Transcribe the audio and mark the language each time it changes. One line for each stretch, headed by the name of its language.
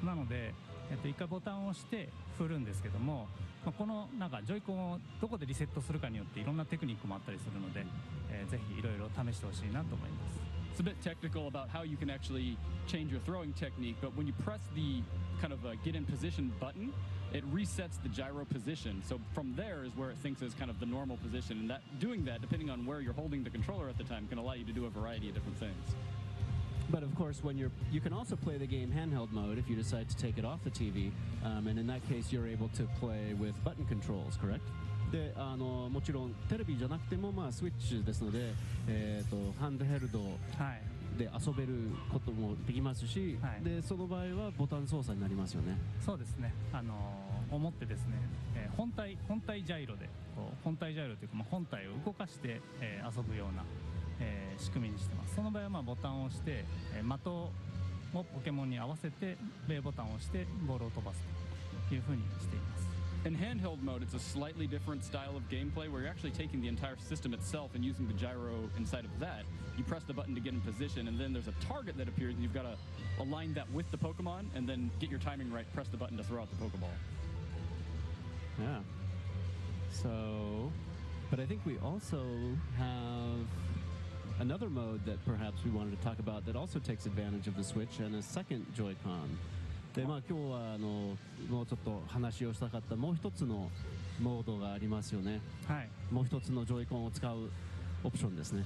Japanese: なので、一回ボタンを押して振るんですけども、まあ、このなんかジョイコンをどこでリセットするかによっていろんなテクニックもあったりするので、ぜひいろいろ試してほしいなと思います。
English: It's a bit technical about how you can actually change your throwing technique, but when you press the kind of a get in position button, it resets the gyro position. So from there is where it thinks is kind of the normal position, and that doing that, depending on where you're holding the controller at the time, can allow you to do a variety of different things. But of course, when you can also play the game handheld mode if you decide to take it off the TV, and in that case, you're able to play with button controls, correct?
Japanese: で、あの、もちろんテレビじゃなくても、まあ、スイッチですので、ハンドヘルドで遊べることもできますし、はい、で、その場合はボタン操作になりますよね。そうですね。あの、思ってですね、本体ジャイロで、こう、本体ジャイロというか、まあ、本体を動かして、遊ぶような。仕組みにしてます。その場合はまあボタンを押して、的をポケモンに合わせて B ボタンを押してボールを飛ばすというふうにしています。
English: In handheld mode, it's a slightly different style of gameplay where you're actually taking the entire system itself and using the gyro inside of that. You press the button to get in position, and then there's a target that appears, and you've got to align that with the Pokemon, and then get your timing right, press the button to throw out the Pokeball. Yeah. So, but I think we also have... another mode that perhaps we wanted to talk about that also takes advantage of the Switch and a second Joy-Con.
Japanese: で、まあ今日はあのもうちょっと話をしたかったもう一つのモードがありますよね。はい。もう一つのジョイコンを使うオプションですね。